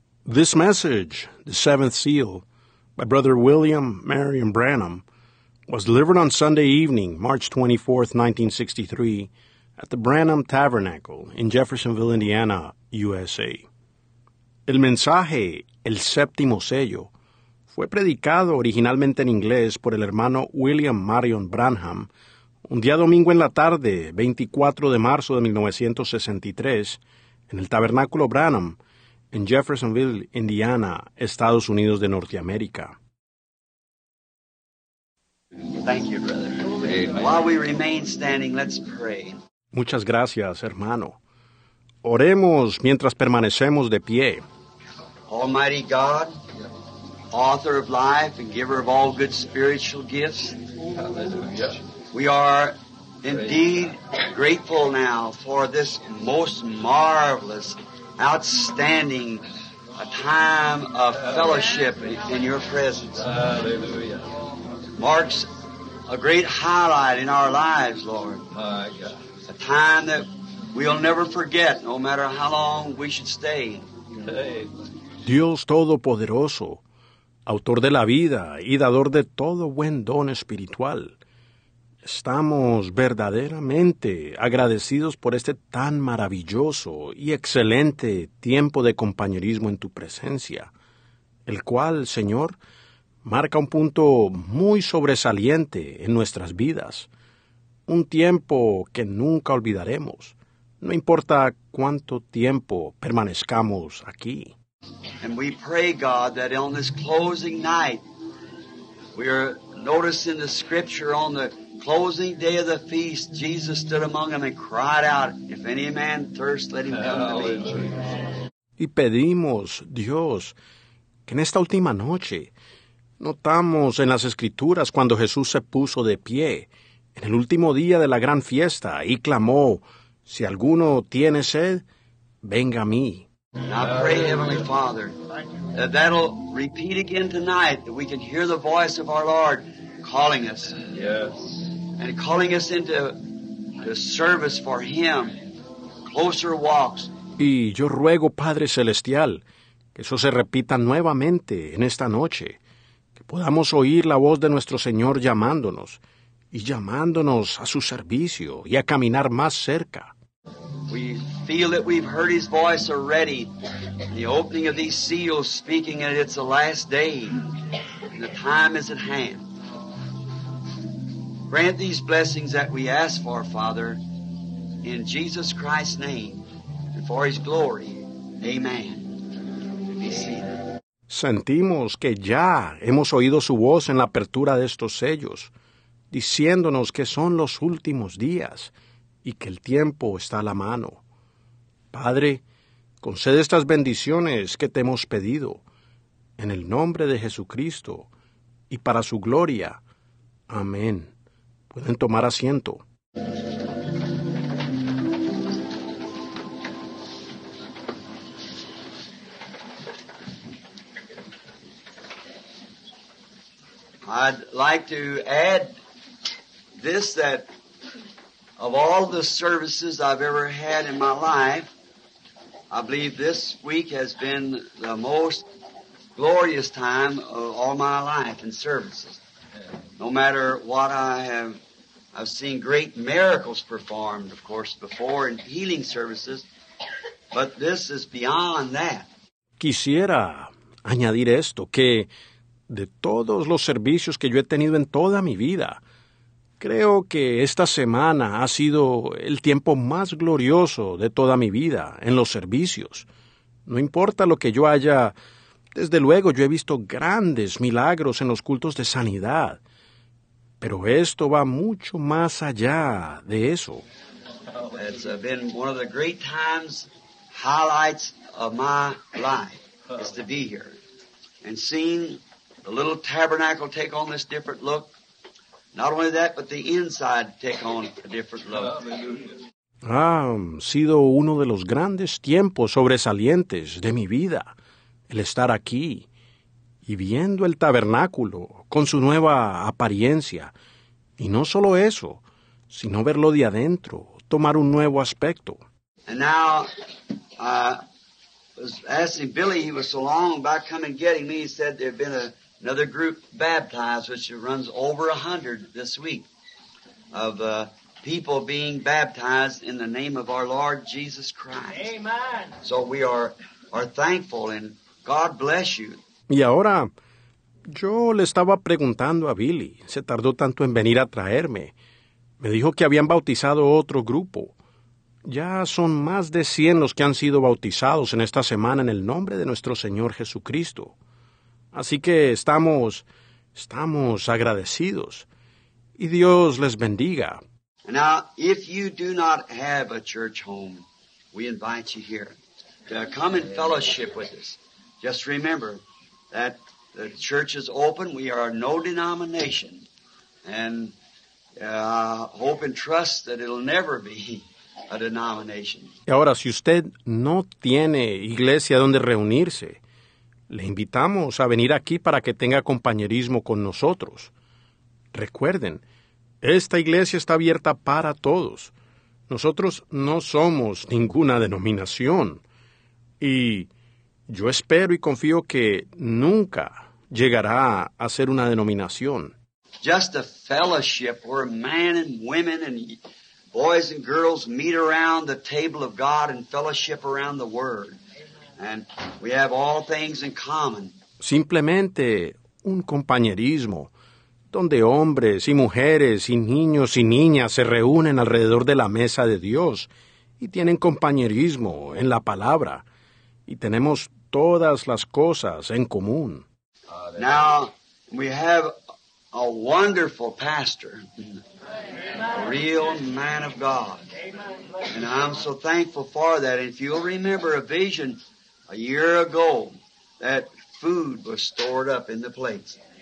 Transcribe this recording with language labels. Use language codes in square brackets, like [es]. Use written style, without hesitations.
[en] This message, the seventh seal, by Brother William Marion Branham, was delivered on Sunday evening, March 24, 1963, at the Branham Tabernacle in Jeffersonville, Indiana, USA. [es] El mensaje, el séptimo sello, fue predicado originalmente en inglés por el hermano William Marion Branham un día domingo en la tarde, 24 de marzo de 1963, en el Tabernáculo Branham, en Jeffersonville, Indiana, Estados Unidos de Norteamérica. [en] Thank you, brother. While we remain standing, let's pray. [es] Muchas gracias, hermano. Oremos mientras permanecemos de pie. [en] Almighty God, author of life and giver of all good spiritual gifts, we are indeed grateful now for this most marvelous, outstanding a time of fellowship in your presence. Hallelujah. Marks a great highlight in our lives, Lord. My God. A time that we'll never forget, no matter how long we should stay. [es] Dios Todopoderoso, autor de la vida y dador de todo buen don espiritual, estamos verdaderamente agradecidos por este tan maravilloso y excelente tiempo de compañerismo en tu presencia, el cual, Señor, marca un punto muy sobresaliente en nuestras vidas, un tiempo que nunca olvidaremos, no importa cuánto tiempo permanezcamos aquí. [en] And we pray, God, that on this closing night, we are noticing the scripture on the closing day of the feast, Jesus stood among them and cried out, "If any man thirst, let him come to me." [es] Y pedimos, Dios, que en esta última noche, notamos en las Escrituras cuando Jesús se puso de pie, en el último día de la gran fiesta, y clamó, "Si alguno tiene sed, venga a mí." [en] And I pray, Heavenly Father, that that'll repeat again tonight, that we can hear the voice of our Lord calling us. Yes. And calling us into the service for Him, closer walks. [es] Y yo ruego, Padre Celestial, que eso se repita nuevamente en esta noche, que podamos oír la voz de nuestro Señor llamándonos, y llamándonos a su servicio y a caminar más cerca. [en] We feel that we've heard His voice already, the opening of these seals speaking that it's the last day, and the time is at hand. Grant these blessings that we ask for, Father, in Jesus Christ's name, and for His glory. Amen. Be seated. [es] Sentimos que ya hemos oído su voz en la apertura de estos sellos, diciéndonos que son los últimos días y que el tiempo está a la mano. Padre, concede estas bendiciones que te hemos pedido, en el nombre de Jesucristo y para su gloria. Amén. Pueden tomar asiento. [en] I'd like to add this, that of all the services I've ever had in my life, I believe this week has been the most glorious time of all my life in services. No matter what I've seen great miracles performed, of course, before in healing services, but this is beyond that. [es] Quisiera añadir esto, que de todos los servicios que yo he tenido en toda mi vida, creo que esta semana ha sido el tiempo más glorioso de toda mi vida en los servicios. No importa lo que yo haya, desde luego yo he visto grandes milagros en los cultos de sanidad. Pero esto va mucho más allá de eso. [en] It's been one of the great times, highlights of my life, is to be here. And seeing the little tabernacle take on this different look. Not only that, but the inside take on a different look. [es] Ha sido uno de los grandes tiempos sobresalientes de mi vida, el estar aquí. Y viendo el tabernáculo con su nueva apariencia, y no solo eso, sino verlo de adentro, tomar un nuevo aspecto. [en] And now, was asking Billy, he was so long about coming getting me. He said there had been another group baptized, which runs over 100 this week, of people being baptized in the name of our Lord Jesus Christ. Amen. So we are thankful, and God bless you. [es] Y ahora, yo le estaba preguntando a Billy, se tardó tanto en venir a traerme. Me dijo que habían bautizado otro grupo. Ya son más de 100 los que han sido bautizados en esta semana en el nombre de nuestro Señor Jesucristo. Así que estamos agradecidos. Y Dios les bendiga. [en] Now, if you do not have a church home, we invite you here to come and fellowship with us. Just remember that the church is open. We are no denomination. And hope and trust that it'll never be a denomination. [es] Y ahora, si usted no tiene iglesia donde reunirse, le invitamos a venir aquí para que tenga compañerismo con nosotros. Recuerden, esta iglesia está abierta para todos. Nosotros no somos ninguna denominación. Y yo espero y confío que nunca llegará a ser una denominación. [en] Just a fellowship where men and women and boys and girls meet around the table of God and fellowship around the Word. And we have all things in common. [es] Simplemente un compañerismo donde hombres y mujeres y niños y niñas se reúnen alrededor de la mesa de Dios y tienen compañerismo en la palabra y tenemos todas las cosas en común. [en] Now, we have a wonderful pastor, a real man of God. And I'm so thankful for that. If you'll remember a vision a year ago, that food was stored up in the plates.